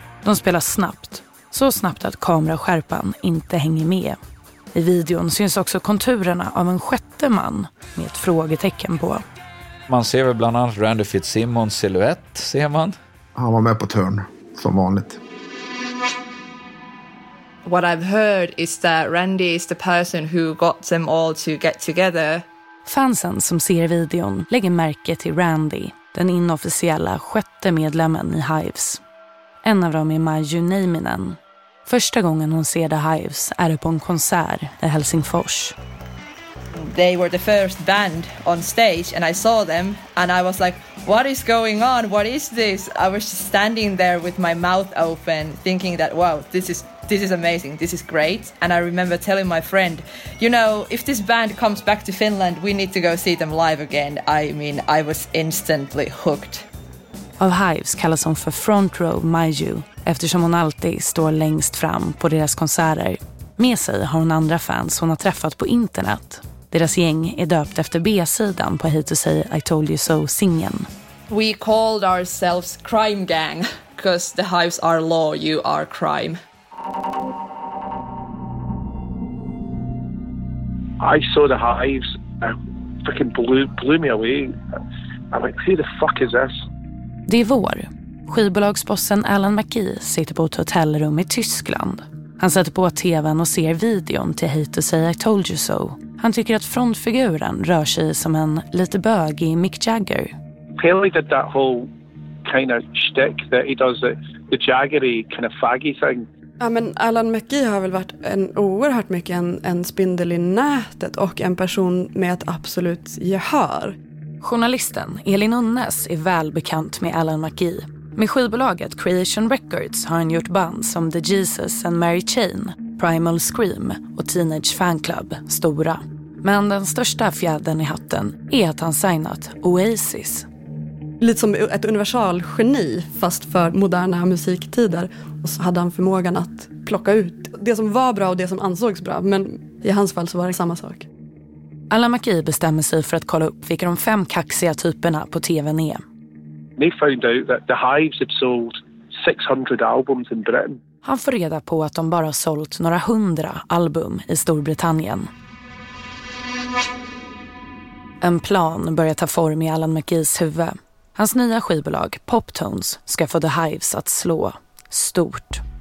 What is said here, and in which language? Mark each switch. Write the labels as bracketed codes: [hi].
[sv] De spelar snabbt, så snabbt att kameraskärpan inte hänger med. I videon syns också konturerna av en sjätte man med ett frågetecken på. Man ser väl bland annat Randy Fitzsimmons siluett, ser man. Han var med på turn, som vanligt. [en] What I've heard is that Randy is the person who got them all to get together. [sv] Fansen som ser videon lägger märke till Randy, den inofficiella sjätte medlemmen i Hives. En av dem är Maju Nieminen. Första gången hon ser The Hives är på en konsert i Helsingfors. [en] They were the first band on stage and I saw them and I was like, what is going on? What is this? I was just standing there with my mouth open thinking that wow, this is amazing. This is great. And I remember telling my friend, you know, if this band comes back to Finland, we need to go see them live again. I mean, I was instantly hooked. [sv] Av Hives kallas hon för Front Row Maju eftersom hon alltid står längst fram på deras konserter. Med sig har hon andra fans hon har träffat på internet. Deras gäng är döpt efter B-sidan på Hate to Say I Told You So-singen. [en] We called ourselves Crime Gang because the Hives are law, you are crime. I saw the Hives and fucking blew me away. I'm like, who the fuck is this? [sv] Det är vår. Skivbolagsbossen Alan McGee sitter på ett hotellrum i Tyskland. Han sätter på tvn och ser videon till Hate to Say I Told You So. Han tycker att frontfiguren rör sig som en lite bögig Mick Jagger. [en] Pelle did that whole kind of shtick that he does the jaggery kind of faggy thing. [sv] Ja, men Alan McGee har väl varit en oerhört mycket en spindel i nätet och en person med ett absolut gehör. Journalisten Elin Unnes är välbekant med Alan McGee. Med skivbolaget Creation Records har han gjort band som The Jesus and Mary Chain, Primal Scream och Teenage Fan Club, stora. Men den största fjädern i hatten är att han signat Oasis. Lite som ett universal geni, fast för moderna musiktider. Och så hade han förmågan att plocka ut det som var bra och det som ansågs bra. Men i hans fall så var det samma sak. Alan McGee bestämmer sig för att kolla upp vilka de fem kaxiga typerna på tvn är. [en] They found out that the Hives had sold 600 albums in Britain. [sv] Han får reda på att de bara sålt några hundra album i Storbritannien. En plan börjar ta form i Alan McGees huvud. Hans nya skivbolag, Poptones, ska få The Hives att slå stort.